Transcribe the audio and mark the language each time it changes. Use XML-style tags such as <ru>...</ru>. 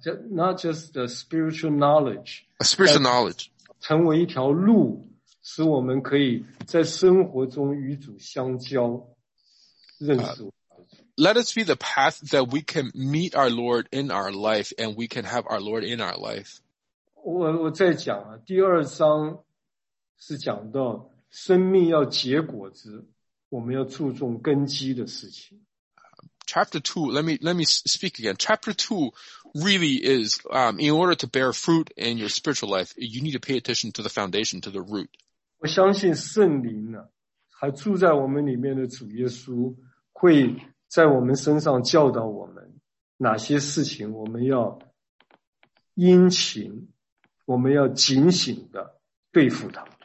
<en>Not just the spiritual knowledge. A spiritual knowledge.</en> <zh>成为一条路，使我们可以在生活中与主相交，认识。</zh> <en>Let us be the path that we can meet our Lord in our life, and we can have our Lord in our life.</en> <zh>我在讲啊，第二章是讲到生命要结果子，我们要注重根基的事情。</zh> <en>Chapter 2, let me speak again. Chapter 2 really is, in order to bear fruit in your spiritual life, you need to pay attention to the foundation, to the root.</en> <zh>我相信圣灵呢，还住在我们里面的主耶稣，会在我们身上教导我们哪些事情我们要殷勤，我们要警醒的对付它。</zh>